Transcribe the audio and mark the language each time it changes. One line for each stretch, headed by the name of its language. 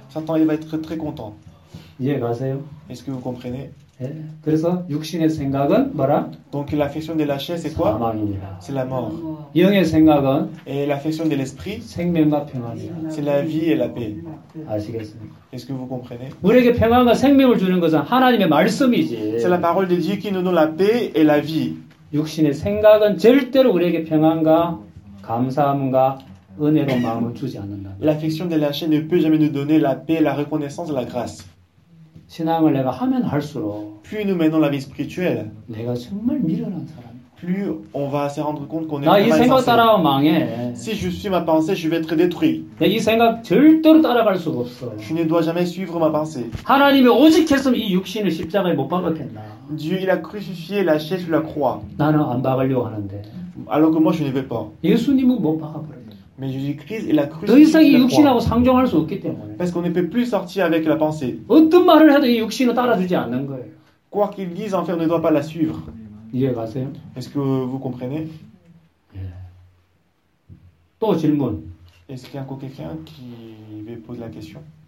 French: Satan, il va être très content.
Korean: 이해 가세요?
French: Est-ce que vous comprenez?
Korean: 그래서 육신의 생각은 뭐라?
French: Donc l'affection de la chair c'est quoi? C'est la mort.
Korean: 영의 생각은?
French: Et l'affection de l'esprit?
Korean: 생명과 평안이야.
French: C'est la vie et la paix.
Korean: 아시겠습니까?
French: Est-ce que vous comprenez?
Korean: 우리에게 평안과 생명을 주는 것은 하나님의 말씀이지.
French: C'est la parole de Dieu qui nous donne la paix et la vie.
Korean: 육신의 생각은 절대로 우리에게 평안과 감사함과 은혜로 마음을 주지 않는다.
French: L'affection de la chair ne peut jamais nous donner la paix, la reconnaissance, la grâce.
Korean: 신앙을 내가 하면 할수록
French: plus nous menons la vie spirituelle,
Korean: 내가 정말 미련한 사람.
French: Plus on va se rendre compte qu'on est mal.
Korean: 나 이 생각 따라 망해.
French: Si je suis ma pensée, je vais être détruit.
Korean: 내 이 생각 절대로 따라갈 수가 없어.
French: Je ne dois jamais suivre ma pensée.
Korean: 하나님이 오직 했으면 이 육신을 십자가에 못 박았겠나.
French: Dieu il a crucifié la chair sur la croix.
Korean: 나는 안 박으려고 하는데.
French: Alors que moi je ne vais pas.
Korean: 예수님은 못 박아버려.
French: Mais Jésus-Christ est la crucifixion. Parce qu'on ne peut plus sortir avec la pensée.
Korean: 어떤 말을 해도 이 육신은 따라주지 않는 거예요.
French: Quoi qu'il dise, enfin, on ne doit pas la suivre.
Korean: 이해가세요?
French: Est-ce que vous comprenez?
Korean: 예. 또 질문.
French: Est-ce qu'il y a encore quelqu'un qui veut poser la question?